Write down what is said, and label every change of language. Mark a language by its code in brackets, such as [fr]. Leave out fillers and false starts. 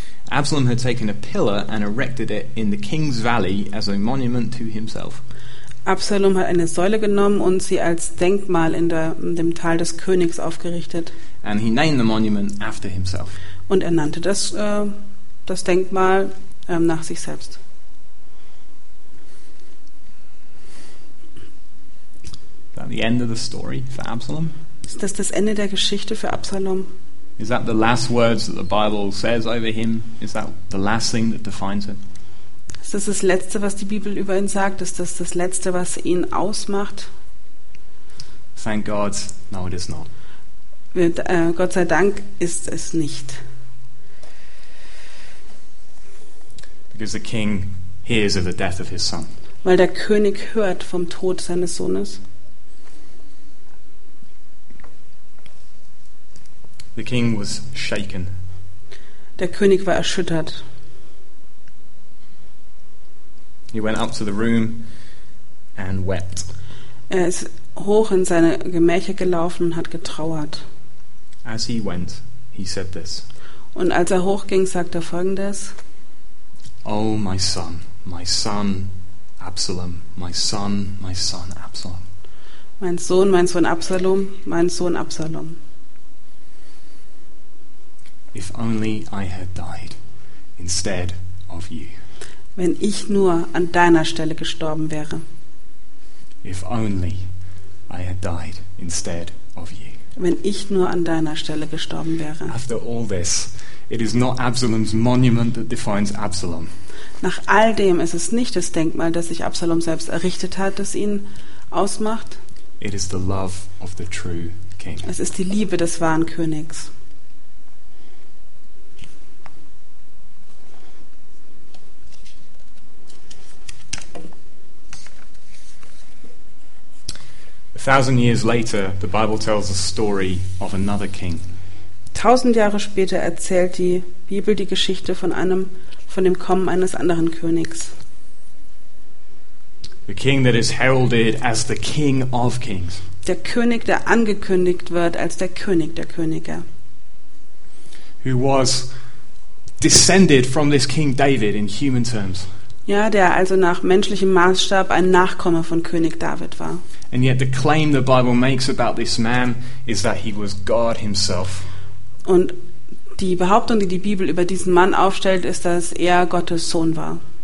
[en] Absalom had taken a pillar and erected it in the king's valley as a monument to himself. [de] Absalom hat eine Säule genommen und sie als Denkmal in dem Tal des Königs aufgerichtet. [en] And he named the monument after himself. [de] Und er nannte das Denkmal nach sich selbst. [en] Is that the end of the story for Absalom? [de] Ist das das Ende der Geschichte für Absalom? [en] Is that the last words that the Bible says over him? Is that the last thing that defines him? [de] Ist das das Letzte, was die Bibel über ihn sagt? Ist das das Letzte, was ihn ausmacht? [en] Thank God, no, it is not. [de] Gott sei Dank ist es nicht. [en] Because the king hears of the death of his son. [de] Weil der König hört vom Tod seines Sohnes. [en] The king was shaken. [de] Der König war erschüttert. [en] He went up to the room and wept. [de] Er ist hoch in seine Gemächer gelaufen und hat getrauert. [en] As he went, he said this. [de] Und als er hochging, sagte er folgendes: [en] Oh, my son, Absalom. [de] Mein Sohn, Absalom. [en] If only I had died instead of you. [de] Wenn ich nur an deiner Stelle gestorben wäre. [en] If only I had died instead of you. [de] Wenn ich nur an deiner Stelle gestorben wäre. [en] After all this, it is not Absalom's monument that defines Absalom. [de] Nach all dem ist es nicht das Denkmal, das sich Absalom selbst errichtet hat, das ihn ausmacht. [en] It is the love of the true king. [de] Es ist die Liebe des wahren Königs. [en] A thousand years later, the Bible tells a story of another king. [de] 1000 Jahre später erzählt die Bibel die Geschichte von dem Kommen eines anderen Königs. [en] The king that is heralded as the king of kings. [de] Der König, der angekündigt wird als der König der Könige. [en] Who was descended from this King David in human terms. [de] Ja, der also nach menschlichem Maßstab ein Nachkomme von König David war. [en] And yet the claim the Bible makes about this man is that he was God himself. [de] Und die Behauptung, die die Bibel über diesen Mann aufstellt, ist, dass er Gottes Sohn war.